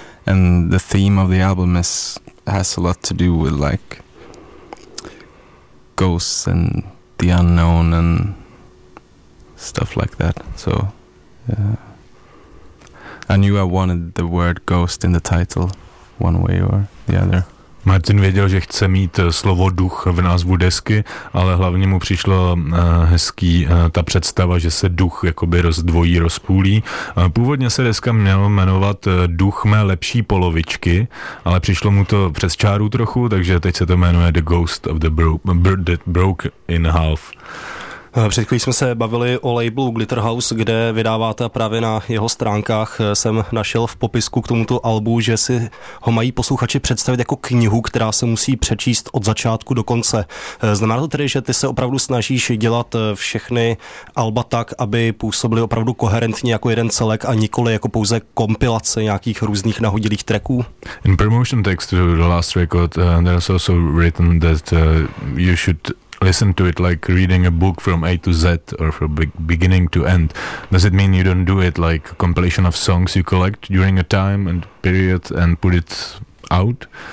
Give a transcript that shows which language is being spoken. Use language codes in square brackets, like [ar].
[en] And the theme of the album has a lot to do with, like, ghosts and the unknown and stuff like that. So, yeah. I knew I wanted the word ghost in the title, one way or the other. [cs] Martin věděl, že chce mít slovo duch v názvu desky, ale hlavně mu přišlo hezký ta představa, že se duch jakoby rozdvojí, rozpůlí. Původně se deska měla jmenovat Duch mé lepší polovičky, ale přišlo mu to přes čáru trochu, takže teď se to jmenuje The Ghost of the that Broke in Half. Před chvílí jsme se bavili o labelu Glitterhouse, kde vydáváte, právě na jeho stránkách jsem našel v popisku k tomuto albu, že si ho mají posluchači představit jako knihu, která se musí přečíst od začátku do konce. Znamená to tedy, že ty se opravdu snažíš dělat všechny alba tak, aby působily opravdu koherentně jako jeden celek a nikoli jako pouze kompilace nějakých různých nahodilých tracků? [en] In promotion text to the last record, there is also written that you should listen to it like reading a book from A to Z or from beginning to end. Does it mean you don't do it like a compilation of songs you collect during a time and period and put it out?